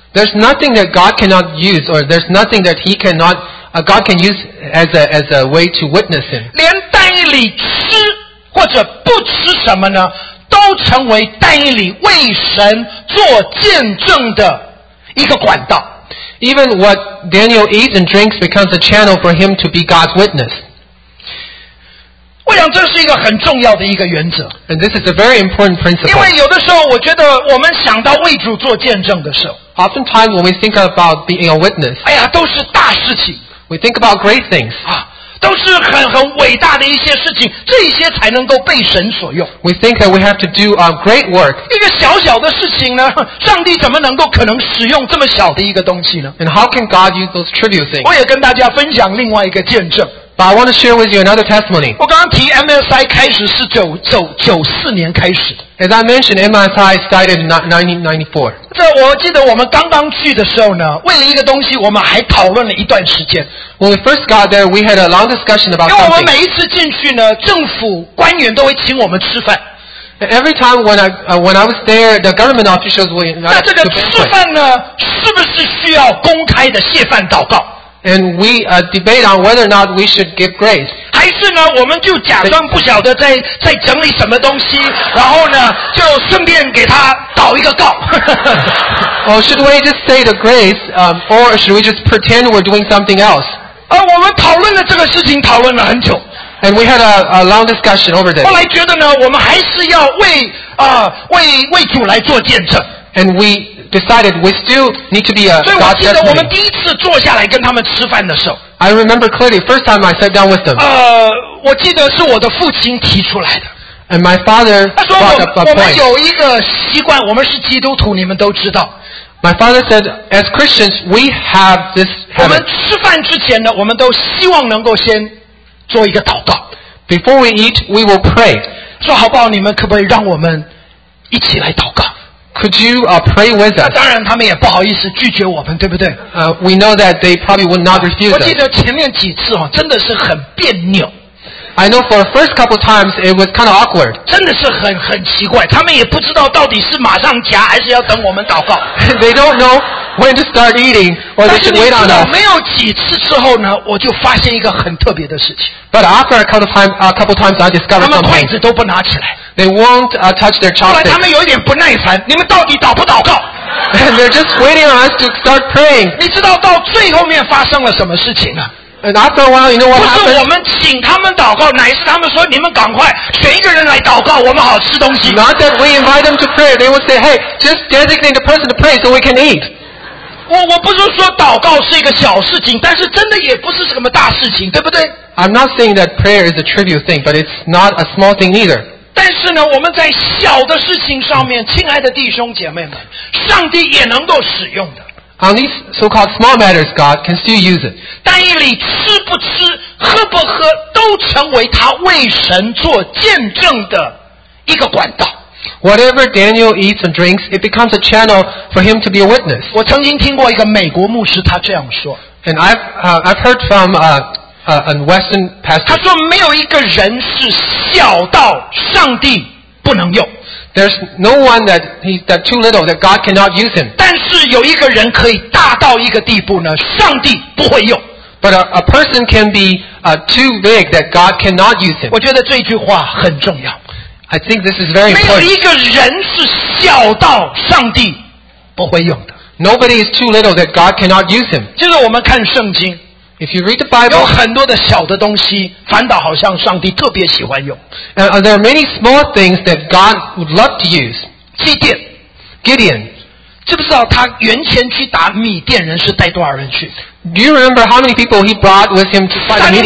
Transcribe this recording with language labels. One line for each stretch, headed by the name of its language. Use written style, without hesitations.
English: There's nothing that God cannot use, or there's nothing that He cannot, God can use as a way to witness Him.
Chinese: 连但以理吃或者不吃什么呢？都成为但以理为神做见证的一个管道。
English: Even what Daniel eats and drinks becomes a channel for him to be God's witness.
Chinese: 我想这是一个很重要的一个原则。
English: And this is a very important principle.
Chinese: 因为有的时候我觉得我们想到为主做见证的时候
English: Oftentimes when we think about being a witness,
Chinese: 哎呀都是大事情。
English: We think about great things. 啊
Chinese: 都是很伟大的一些事情，这些才能够被神所用。
English: We think that we have to do a great work.
Chinese: 一个小小的事情呢，上帝怎么能够可能使用这么小的一个东西呢？
English: And how can God use those trivial things?
Chinese: 我也跟大家分享另外一个见证。
English: But I want to share with you another testimony.
Chinese: 我刚刚提 MSI 开始是94年开始的。
English: As I mentioned, MSI started in 1994.
Chinese: 在我记得我们刚刚去的时候呢，为了一个东西，我们还讨论了一段时间。
English: When we first got there, we had a long discussion about something.
Chinese: 因为我们每一次进去呢，政府官员都会请我们吃饭。
English: Every time when I was there, the government officials would invite us to eat.
Chinese: 那这个吃饭呢，是不是需要公开的谢饭祷告？
English: And we debate on whether or not we should give grace.
Chinese: 还是呢，我们就假装不晓得在整理什么东西，然后呢，就顺便给他祷一个告。
English: Or should we just say the grace, or should we just pretend we're doing something else?
Chinese: 我们讨论了这个事情，讨论了很久。
English: And we had a long discussion over this.
Chinese: 后来觉得呢，我们还是要为主来做见证。
English: And we decided we still need to be a God's testimony.
Chinese: 我们第一次坐下来跟他们吃饭的时候
English: I remember clearly first time I sat down with them.
Chinese: 我记得是我的父亲提出来的
English: And my father brought up a point.
Chinese: 我们有一个习惯，我们是基督徒，你们都知道。
English: My father said, as Christians, we have this habit.
Chinese: 我们吃饭之前呢，我们都希望能够先做一个祷告。
English: Before we eat, we will pray.
Chinese: 说好不好？你们可不可以让我们一起来祷告？
English: Could you pray with us?
Chinese: 那当然，他们也不好意思拒绝我们，对不对？
English: We know that they probably would not refuse us.
Chinese: 我记得前面几次哦，真的是很别扭。
English: I know for the first couple times it was kind of awkward.
Chinese: 真的是很奇怪，他们也不知道到底是马上夹还是要等我们祷告。
English: They don't know when to start eating or they should wait on us.
Chinese: 但是没有几次之后呢，我就发现一个很特别的事情。
English: But after a couple times, I discovered something.
Chinese: 他们筷子都不拿起来。
English: They won't touch their chopsticks.
Chinese: 后来他们有点不耐烦，你们到底祷不祷告？
English: And they're just waiting on us to start praying.
Chinese: 你知道到最后面发生了什么事情呢？
English: And after a while, you know what happened?
Chinese: 不是我们请他们祷告，乃是他们说你们赶快选一个人来祷告，我们好吃东西。
English: Not that we invite them to pray, they would say, "Hey, just designate the person to pray so we can eat."
Chinese: 我不是说祷告是一个小事情，但是真的也不是什么大事情，对不对？
English: I'm not saying that prayer is a trivial thing, but it's not a small thing either.
Chinese: 但是呢，我们在小的事情上面，亲爱的弟兄姐妹们，上帝也能够使用的。
English: On these so-called small matters, God can still use it.
Chinese: 单一里吃不吃、喝不喝，都成为他为神做见证的一个管道。
English: Whatever Daniel eats and drinks, it becomes a channel for him to be a witness.
Chinese: 我曾经听过一个美国牧师他这样说。
English: And I've heard from a Western pastor.
Chinese: 他说没有一个人是小到上帝不能用。
English: There's no one that too little that God cannot use him.
Chinese: 但是有一个人可以大到一个地步呢，上帝不会用。
English: But a person can be too big that God cannot use him.
Chinese: 我觉得这句话很重要。
English: I think this is very important.
Chinese: 没有一个人是小到上帝不会用的。
English: Nobody is too little that God cannot use him.
Chinese: 就是我们看圣经。
English: If you read the Bible,
Chinese: 有很多的小的东西，反倒好像上帝特别喜欢用。
English: There are many small things that God would love to use.
Chinese: 基甸
English: Gideon,
Chinese: 知不知道他原先去打米甸人是带多少人去？ Do you remember how many people he brought with him to fight Midian?